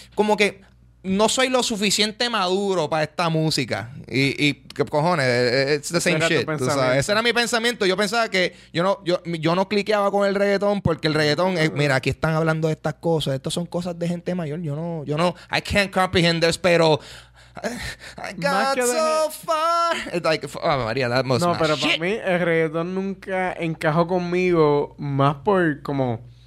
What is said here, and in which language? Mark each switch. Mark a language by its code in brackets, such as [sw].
[es] Como que no soy lo suficiente maduro para esta música. Y ¿qué cojones? [en] It's the same shit. [es] ¿Tú sabes? Ese era mi pensamiento. Yo pensaba que... Yo no cliqueaba con el reggaetón porque el reggaetón... mira, aquí están hablando de estas cosas. Estas son cosas de gente mayor. Yo no... [en] I can't comprehend this, [es] pero... [en] I got so far. It's like, oh, María, that must [es] No, pero [en] shit. [es] Para mí el reggaetón nunca encajó conmigo más por como...